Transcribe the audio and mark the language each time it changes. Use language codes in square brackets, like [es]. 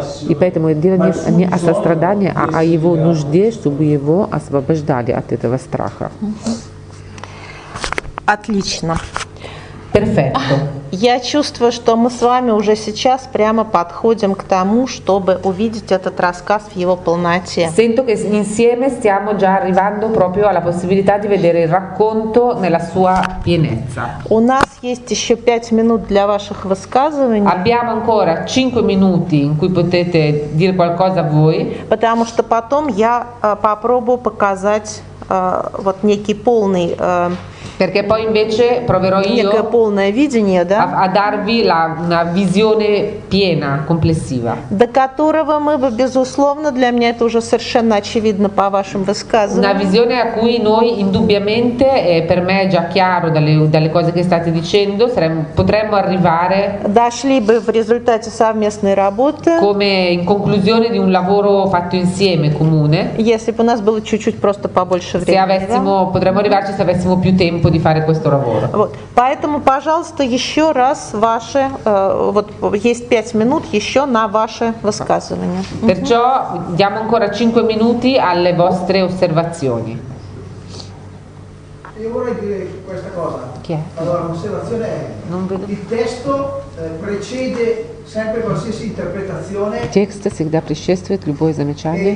[ru] И поэтому дело не о сострадании, а о его нужде, чтобы его освобождали от этого страха. Отлично. [it] Perfetto. [ru] Я чувствую, что мы с вами уже сейчас прямо подходим к тому, чтобы увидеть этот рассказ в его полноте. [it] Sento che insieme stiamo già arrivando proprio alla possibilità di vedere il racconto nella sua pienezza. [ru] У нас есть еще 5 минут для ваших высказываний. [it] Abbiamo ancora 5 minuti in cui potete dire qualcosa voi. [ru] Потому что потом я попробую показать вот некий полный [it] perché poi invece proverò io [ru] полное видение, да? [it] A darvi una visione piena, complessiva. [ru] До которого мы бы, безусловно, для меня это уже совершенно очевидно по вашим высказываниям. [it] Una visione a cui noi indubbiamente e per me è già chiaro dalle cose che state dicendo, potremmo arrivare. [ru] Дошли бы в результате совместной работы. [it] Come in conclusione di un lavoro fatto insieme comune. [ru] Если бы у нас было чуть-чуть просто побольше времени. [it] Se avessimo, [ru] да? [it] Potremmo arrivarci se avessimo più tempo. Di fare questo lavoro. [ru] Вот. Поэтому, пожалуйста, еще раз ваши, вот есть 5 минут еще на ваши высказывания. [it] Perciò diamo ancora 5 minuti alle vostre osservazioni. Io vorrei dire questa cosa. Chi è? Allora, l'osservazione è: non vedo. Il testo precede sempre qualsiasi interpretazione. Il testo [ru] всегда предшествует любое замечание.